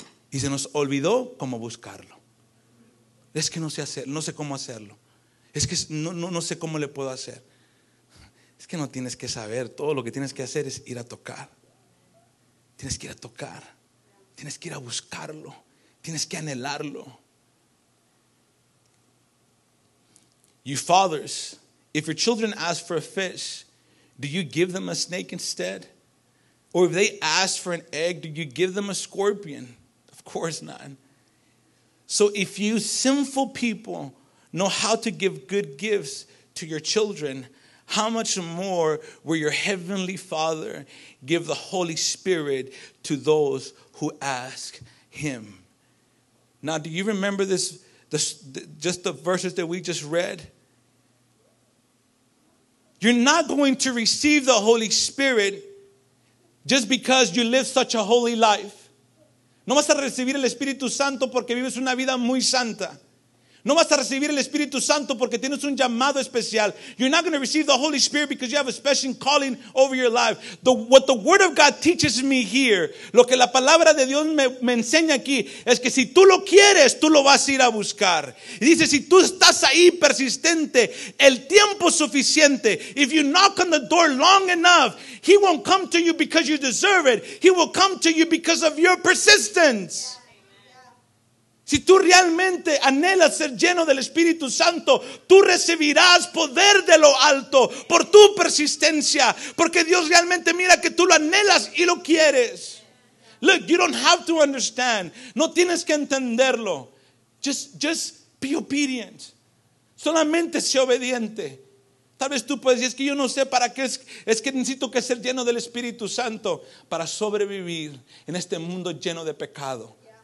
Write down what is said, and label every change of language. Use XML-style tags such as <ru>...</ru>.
<es>Y se nos olvidó cómo buscarlo. Es que no sé hacer, no sé cómo hacerlo. Es que no sé cómo le puedo hacer. Es que no tienes que saber, todo lo que tienes que hacer es ir a tocar. Tienes que ir a tocar. Tienes que ir a buscarlo. Tienes que anhelarlo.</es> <en>You fathers, if your children ask for a fish, do you give them a snake instead? Or if they ask for an egg, do you give them a scorpion? Of course not. So if you sinful people know how to give good gifts to your children, how much more will your heavenly Father give the Holy Spirit to those who ask him? Now, do you remember just the verses that we just read? You're not going to receive the Holy Spirit just because you live such a holy life.</en> <es>No vas a recibir el Espíritu Santo porque vives una vida muy santa. No vas a recibir el Espíritu Santo porque tienes un llamado especial.</es> <en>You're not going to receive the Holy Spirit because you have a special calling over your life. What the Word of God teaches me here,</en> <es>lo que la palabra de Dios me enseña aquí, es que si tú lo quieres, tú lo vas a ir a buscar. Y dice, si tú estás ahí persistente, el tiempo suficiente,</es> <en>if you knock on the door long enough, he won't come to you because you deserve it. He will come to you because of your persistence.</en> <es>Si tú realmente anhelas ser lleno del Espíritu Santo, tú recibirás poder de lo alto por tu persistencia, porque Dios realmente mira que tú lo anhelas y lo quieres.</es> <en>Look, you don't have to understand.</en> <es>No tienes que entenderlo.</es> <en>Just be obedient.</en> <es>Solamente sé obediente. Tal vez tú puedes decir, es que yo no sé para qué, es que necesito que ser lleno del Espíritu Santo para sobrevivir en este mundo lleno de pecado.</es>